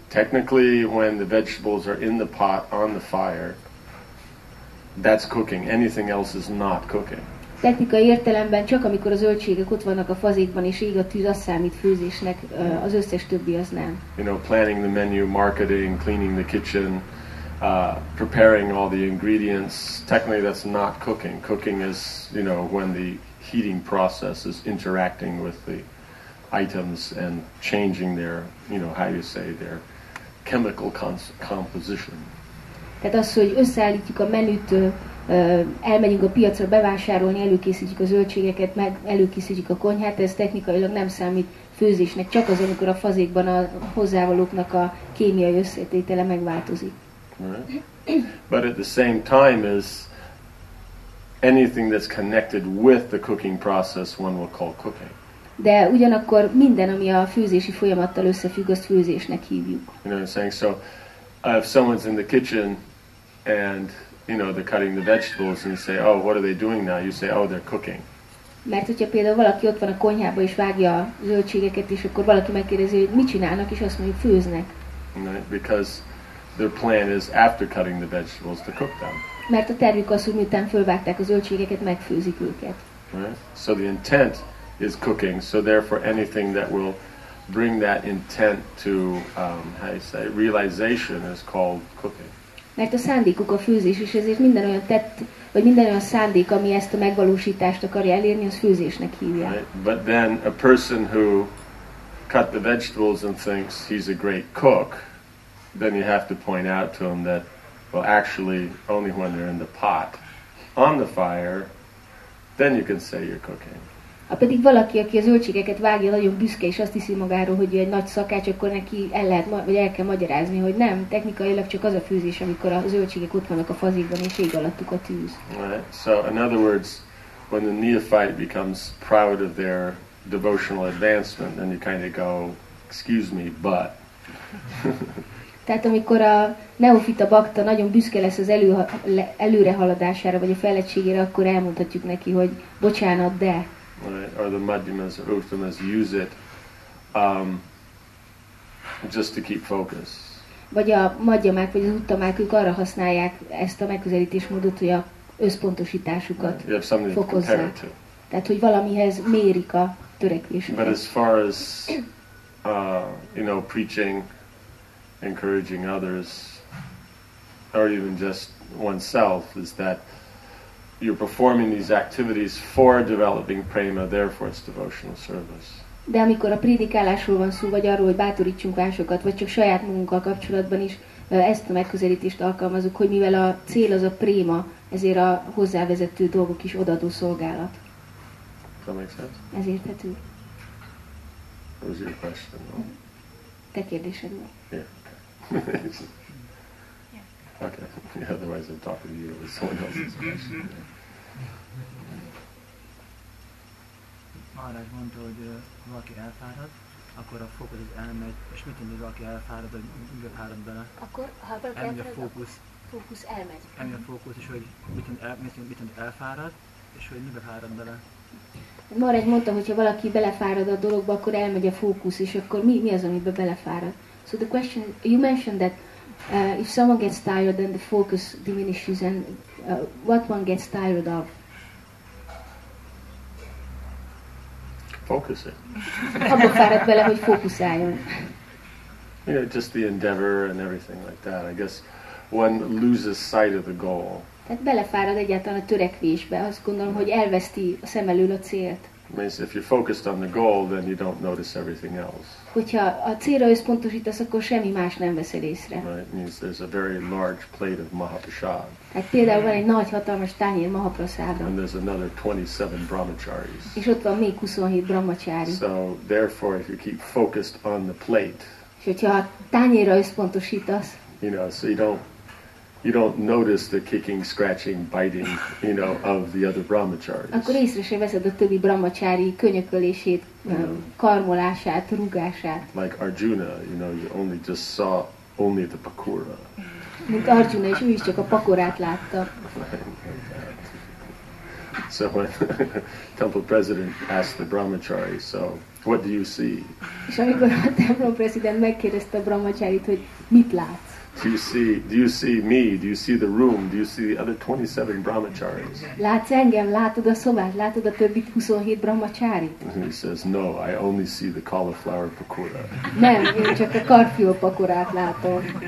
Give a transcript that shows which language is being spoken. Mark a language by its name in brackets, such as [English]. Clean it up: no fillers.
[English] Technically, when the vegetables are in the pot on the fire, that's cooking. Anything else is not cooking. [Hungarian] Technikai értelemben csak amikor a zöldségek ott vannak a fazékban és ég a tűz, az számít főzésnek, az összes többi az nem. [English] You know, planning the menu, marketing, cleaning the kitchen, preparing all the ingredients, technically that's not cooking. Cooking is, you know, when the heating process is interacting with the items and changing their, you know, how you say, their chemical composition. [Hungarian] Tehát az, hogy összeállítjuk a menüt, elmegyünk a piacra bevásárolni, előkészítjük a zöldségeket, meg előkészítjük a konyhát, ez technikailag nem számít főzésnek, csak az, amikor a fazékban a hozzávalóknak a kémiai összetétele megváltozik. [English] Right. But at the same time is anything that's connected with the cooking process one will call cooking. [Hungarian] De ugyanakkor minden, ami a főzési folyamattal összefügg, azt főzésnek hívjuk. [English] You know what I'm saying? So if someone's in the kitchen and, you know, they're cutting the vegetables and you say, oh, what are they doing now? You say, oh, they're cooking. [Hungarian] Mert hogyha például valaki ott van a konyhába és vágja a zöldségeket, és akkor valaki megkérdezi, hogy mit csinálnak, és azt mondjuk, főznek. [English] Right. Because their plan is after cutting the vegetables to cook them. [Hungarian] Mert a tervük az, hogy miután fölvágták a zöldségeket, megfőzik őket. [English] Right. So the intent is cooking, so therefore anything that will bring that intent to how you say realization is called cooking. [Hungarian] Mert a szándékuk a főzés, és ezért minden olyan tett, vagy minden olyan szándék, ami ezt a megvalósítást akarja elérni, az főzésnek hívja. [English] Right. But then a person who cut the vegetables and thinks he's a great cook, then you have to point out to him that, well, actually only when they're in the pot on the fire, then you can say you're cooking. [Hungarian] Ha pedig valaki, aki a zöldségeket vágja, nagyon büszke, és azt hiszi magáról, hogy egy nagy szakács, akkor neki el lehet, vagy el kell magyarázni, hogy nem, technikailag csak az a főzés, amikor a zöldségek ott vannak a fazékban, és ég alattuk a tűz. [English] Right. So, in other words, when the neophyte becomes proud of their devotional advancement, then you kind of go, excuse me, but... [Hungarian] Tehát amikor a neofita bakta nagyon büszke lesz az előrehaladására, vagy a fejlettségére, akkor elmondhatjuk neki, hogy bocsánat, de... [English] Right, or the madhyamas or uttamas use it just to keep focus. [Hungarian] Vagy a madhyamák vagy az uttamák, ők arra használják ezt a megközelítésmódot, hogy a összpontosításukat fokozzák. Tehát hogy valamihez mérik a törekvésüket. [English] But as far as you know, preaching, encouraging others, or even just oneself, is that you're performing these activities for developing prema, therefore it's devotional service. [Hungarian] De amikor a prédikálásról van szó, vagy arról, hogy bátorítsunk másokat, vagy csak saját magunkkal kapcsolatban is, ezt a megközelítést alkalmazunk, hogy mivel a cél az a prema, ezért a hozzávezető dolgok is odaadó szolgálat. [English] That makes sense? [Hungarian] Ez érthető. [English] What was your question, no? [Hungarian] Te kérdésed van. [English] Yeah. Okay, yeah, otherwise I'm talking to you with someone else's question. [Hungarian] Maharaj mondta, hogy valaki elfárad, akkor a fókusz elmegy, és mit tudni, hogy valaki elfárad, vagy mivel fárad bele? Akkor, ha valaki elfárad, a fókusz elmegy. Elmegy a fókusz, és hogy mit tudni, elfárad, és hogy mivel fárad bele? Maharaj mondta, hogy ha valaki belefárad a dologba, akkor elmegy a fókusz, és akkor mi az, amiben belefárad? [English] So the question, you mentioned that if someone gets tired, then the focus diminishes, and what one gets tired of? Focusing. [Hungarian] Abba fáradt bele, hogy fókuszáljon. [English] You know, just the endeavor and everything like that. I guess one loses sight of the goal. [Hungarian] Tehát belefárad egyáltalán a törekvésbe. Azt gondolom, hogy elveszti a szem elől a célt. [English] means if you're focused on the goal, then you don't notice everything else. [Hungarian] Hogyha a célra összpontosítasz, akkor semmi más nem veszel észre. [English] Right, means there's a very large plate of Mahaprasad. [Hungarian] Tehát például van egy nagy, hatalmas tányér Mahaprasad. [English] And there's another 27 brahmacharis. [Hungarian] És ott van még 27 brahmachari. [English] So, therefore, if you keep focused on the plate, [Hungarian] és hogyha a tányérra összpontosítasz, [English] you know, so you don't notice the kicking, scratching, biting, you know, of the other brahmacharis. [Hungarian] Akkor észre sem veszed a többi brahmachari könyökölését, karmolását, rugását. [English] Like Arjuna, you know, you only just saw only the pakura. [Hungarian] Mint Arjuna, és ő is csak a pakorát látta. [English] So when temple president asked the brahmachari, so what do you see? [Hungarian] És amikor a templom president megkérdezte a brahmacharit, hogy mit látsz? [English] Do you see me? Do you see the room? Do you see the other 27 brahmacharis? [Hungarian] Látsz engem? Látod a szobát? Látod a többi 27 brahmacharit? [English] And he says, no, I only see the cauliflower pakora. [Hungarian] Nem, én csak a karfiol pakorát látom.